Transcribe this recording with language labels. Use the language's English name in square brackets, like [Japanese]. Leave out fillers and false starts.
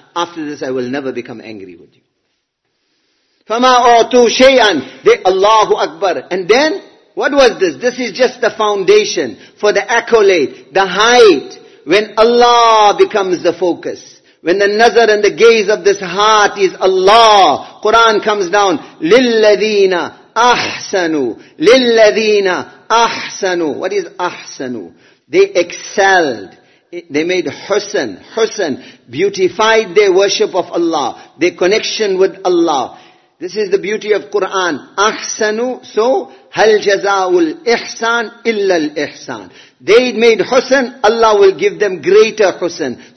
[English] After this, I will never become angry with you. [Arabic] فَمَا أُعْتُوا شَيْئًا [English] They, Allahu Akbar. And then, what was this? This is just the foundation for the accolade, the height. When Allah becomes the focus. When the nazar and the gaze of this heart is Allah. Quran comes down. [Arabic] لِلَّذِينَ أَحْسَنُوا لِلَّذِينَ أَحْسَنُوا [English] What is [Arabic] أَحْسَنُوا? [English] They excelled. They made husn, beautified their worship of Allah. Their connection with Allah. This is the beauty of Quran. [Arabic] Ahsanu, so, hal jaza'ul ihsan illa al ihsan. [English] They made husn, Allah will give them greater husn.